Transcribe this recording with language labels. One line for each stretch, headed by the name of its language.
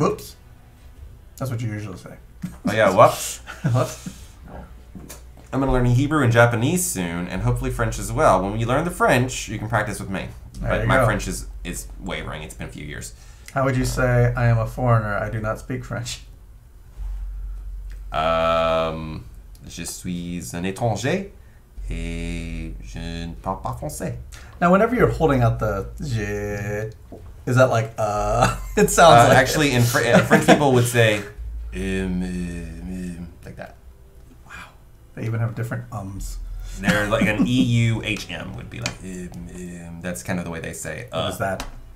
English: Whoops. That's what you usually say. Oh, yeah, whoops. I'm going to learn Hebrew and Japanese soon, and hopefully French as well. When you learn the French, you can practice with me. But my French is wavering. It's been a few years. How would you say, I am a foreigner, I do not speak French?
French: Je suis un étranger, et je ne parle pas français.
English: Now, whenever you're holding out the je... Is that like, it sounds like... Actually, in French people would say, like that. Wow. They even have different ums. They're like an E-U-H-M would be like, that's kind of the way they say it. What is that?